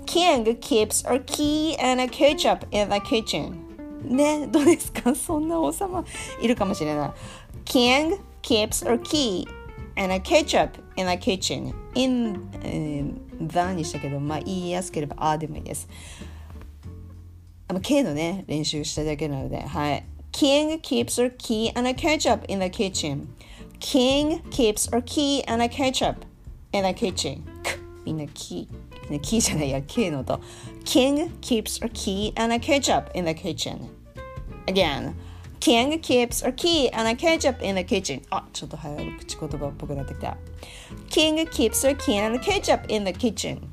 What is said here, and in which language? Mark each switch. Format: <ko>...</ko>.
<en>King keeps a key and a ketchup in the kitchen</en> <ja>ね、どうですか、そんな王様いるかもしれない。</ja> <en>King keeps a keyAnd a ketchup in a kitchen. In the</en> <ja>にしたけど、まあ言いやすければあでもいいです。あの K のね練習しただけなので、はい。</ja> <en>King keeps a key and a ketchup in the kitchen. King keeps a key and a ketchup in the kitchen.</en> <ja>みんなキー、ね、キーじゃないや、キーの音。</ja> <en>King keeps a key and a ketchup in the kitchen. Again, King keeps a key and a ketchup in the kitchen.</en> <ja>あ、ちょっと早く口言葉っぽくなってきた。</ja> <en>King keeps a key and a ketchup in the kitchen.</en>